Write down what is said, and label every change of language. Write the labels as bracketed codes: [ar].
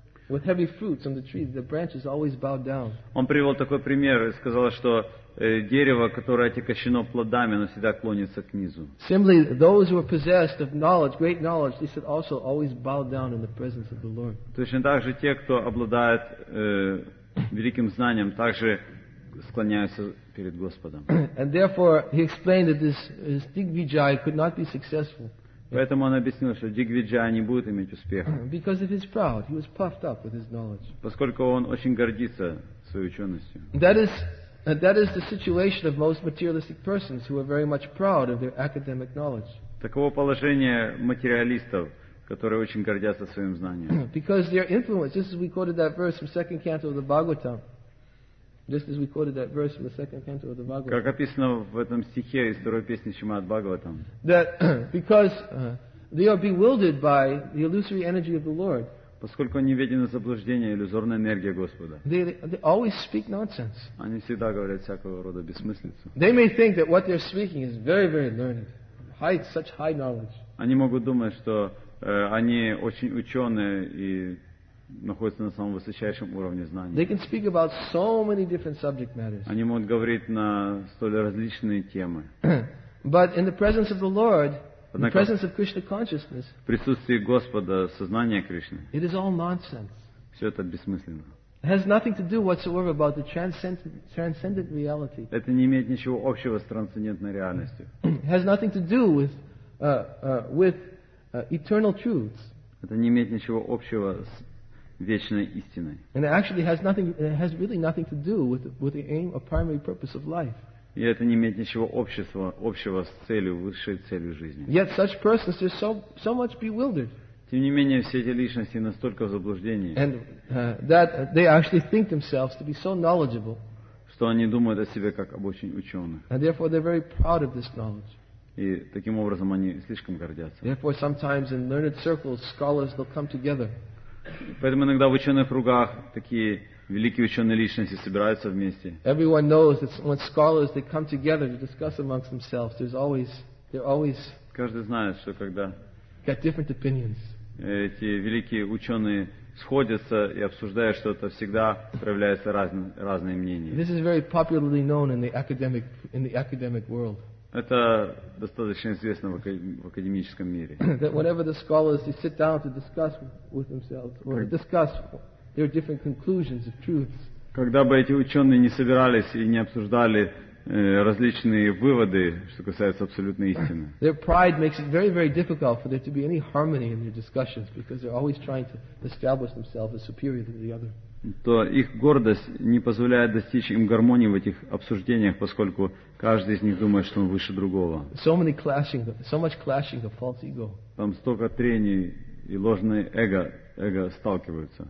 [en] With heavy fruits on the tree, the branches always bow down. [ru] Он привел такой пример и сказал, что дерево, которое отягощено плодами, оно всегда клонится к низу. [en] Similarly, those who are possessed of knowledge, great knowledge, they should also always bow down in the presence of the Lord. [ru] Точно так же те, кто обладает великим знанием, также склоняются перед Господом. [en] And therefore, he explained that this Digvijaya could not be successful. [ru] Поэтому он объяснил, что Дигвиджая не будет иметь успеха. [en] Because of his pride, he was puffed up with his knowledge. [ru] Поскольку он очень гордится своей ученостью. [en] That is the situation of most materialistic persons who are very much proud of their academic knowledge. [ru] Таково положение материалистов, которые очень гордятся своим знанием. [en] Because their influence, just as we quoted that verse from second canto of the Bhagavatam. Just as we quoted that verse from the second canto of the Bhagavatam. [ru] Как описано в этом стихе из второй песни Шримад Бхагаватам. [en] That because they are bewildered by the illusory energy of the Lord. [ru] Поскольку они введены в заблуждение иллюзорной энергией Господа. [en] They always speak nonsense. [ru] Они всегда говорят всякого рода бессмыслицу. [en] They may think that what they're speaking is very, very learned. High, such high knowledge. [ru] Они могут думать, что они очень ученые и находятся на самом высочайшем уровне знания. [en] They can speak about so many different subject matters. [ru] Они могут говорить на столь различные темы. [en] But in the presence of the Lord, in the presence of Krishna consciousness, [ru] в присутствии Господа, сознания Кришны, [en] it is all nonsense. [ru] Все это бессмысленно. [en] It has nothing to do whatsoever about the transcendent reality. [ru] Это не имеет ничего общего с трансцендентной реальностью. [en] It has nothing to do with eternal truths. [ru] Это не имеет ничего общего с вечной истиной. [en] And it actually has really nothing to do with the aim or primary purpose of life. [ru] И это не имеет ничего общего с целью, высшей целью жизни. [en] Yet such persons are so much bewildered. [ru] Тем не менее, все эти личности настолько в заблуждении, [en] and, that they actually think themselves to be so knowledgeable, [ru] что они думают о себе как об очень ученых. [en] And therefore they're very proud of this knowledge. [ru] И таким образом они слишком гордятся. [en] Therefore, sometimes in learned circles, scholars, they'll come together. [ru] Поэтому иногда в ученых кругах такие великие ученые личности собираются вместе. [en] Everyone knows that when scholars they come together to discuss amongst themselves, they're always. [ru] Каждый знает, что когда [en] got different opinions. [ru] Эти великие ученые сходятся и обсуждают что-то, всегда проявляются разные мнения. [en] This is very popularly known in the academic world. [ru] Это достаточно известно в академическом мире. [en] That whenever the scholars they sit down to discuss with themselves or discuss their different conclusions of truths. [ru] Когда бы эти ученые не собирались и не обсуждали различные выводы, что касается абсолютной истины. [en] Their pride makes it very, very difficult for there to be any harmony in their discussions because they're always trying to establish themselves as superior to the other. [ru] То их гордость не позволяет достичь им гармонии в этих обсуждениях, поскольку каждый из них думает, что он выше другого. [en] So much clashing of false ego. [ru] Там столько трений и ложное эго сталкиваются.